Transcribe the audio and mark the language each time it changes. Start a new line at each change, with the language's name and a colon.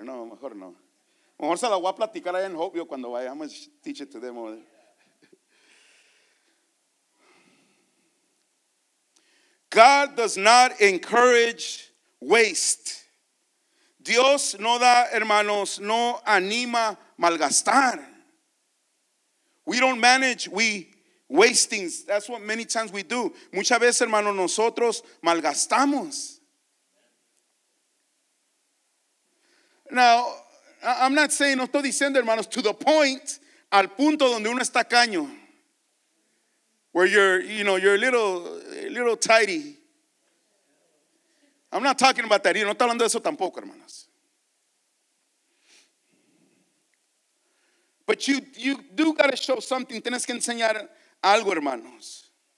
Spanish: Mejor se la voy a platicar allá en Hope. Yo cuando vaya,
English: I'm going to teach it to them over there. God does not encourage waste.
Spanish: Dios no da, hermanos, no anima malgastar.
English: We don't manage, we waste things. That's what many times we do.
Spanish: Muchas veces, hermanos, nosotros malgastamos.
English: Now, I'm not saying,
Spanish: no estoy diciendo, hermanos,
English: to the point,
Spanish: al punto donde uno está caño.
English: Where you're a little tidy. I'm not talking about that.
Spanish: No estoy hablando de eso tampoco, hermanos.
English: But you do got to show something.
Spanish: Tienes que enseñar algo, hermanos.